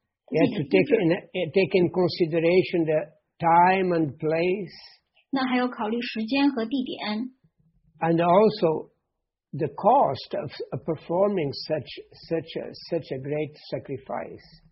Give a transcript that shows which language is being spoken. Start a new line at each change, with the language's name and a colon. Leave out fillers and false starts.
English: He had to take in consideration the time and place.
Chinese: 那还要考虑时间和地点。
English: And also the cost of performing such a great sacrifice.